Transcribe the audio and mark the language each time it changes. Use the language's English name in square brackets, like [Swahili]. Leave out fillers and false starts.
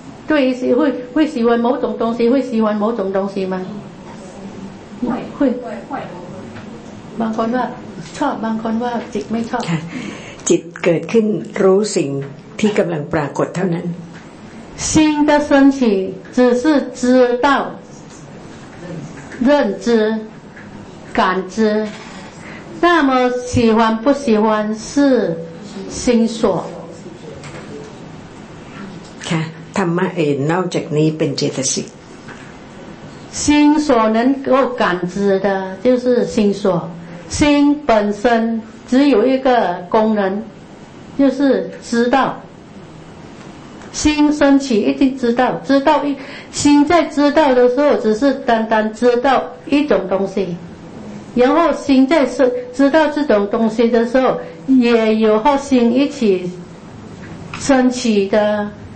[Chinese] 对，会喜欢某种东西，会喜欢某种东西吗？会。 [Thai] บางคนว่าชอบบางคนว่าจิตไม่ชอบ。 จิตเกิดขึ้นรู้สิ่งที่กำลังปรากฏเท่านั้น。 [Chinese] 心的升起只是知道、认知、感知，那么喜欢不喜欢是心所。 [Thai] ธรรมะเองนอกจากนี้เป็นเจตสิก [Chinese] 心所能够感知的就是心所心本身只有一个功能就是知道心升起一定知道心在知道的时候只是单单知道一种东西然后心在知道这种东西的时候也有和心一起升起的